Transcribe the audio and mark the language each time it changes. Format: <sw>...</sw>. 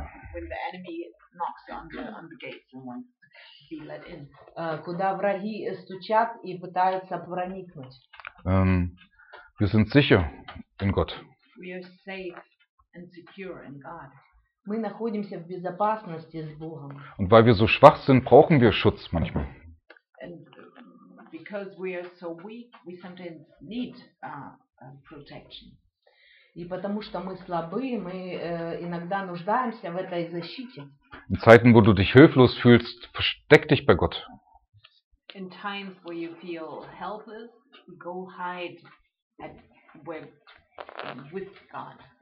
<en>When the enemy knocks on the gates and wants to be let in.</en> <ru>Куда враги стучат и пытаются проникнуть.</ru> <de>Wir sind sicher in Gott.</de> <en>We are safe and secure in God.</en> <ru>Мы находимся в безопасности с Богом.</ru> <de>Und weil wir so schwach sind, brauchen wir Schutz manchmal.</de> <en>And because we are so weak, we sometimes need protection.</en> <ru>И потому что мы слабы, мы иногда нуждаемся в этой защите.</ru> <de>In Zeiten, wo du dich hilflos fühlst, versteck dich bei Gott.</de> <en>In times where you feel helpless, go hide at where with God.</en>